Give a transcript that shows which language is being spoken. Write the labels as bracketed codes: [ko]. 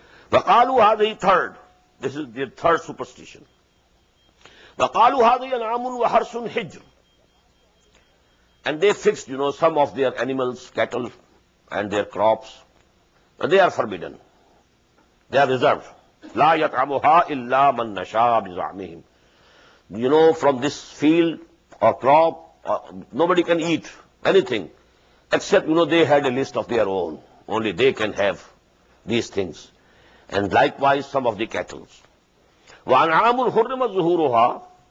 [ar] وَقَالُوا هَذِهِ [en] third. This is the third superstition. [ar] وَقَالُوا هَذِهِ أَنْعَامٌ وَحَرْسٌ حِجْرٌ. [en] And they fixed, you know, some of their animals, cattle and their crops. They are forbidden. They are reserved. [ar] لا يطعمها الا من نشاء بزعمهم. [en] You know, from this field or crop, nobody can eat anything except, you know, they had a list of their own. Only they can have these things. And likewise, some of the cattle. [ar] وَأَنْعَامٌ حُرِّمَتْ ظُهُورُهَا.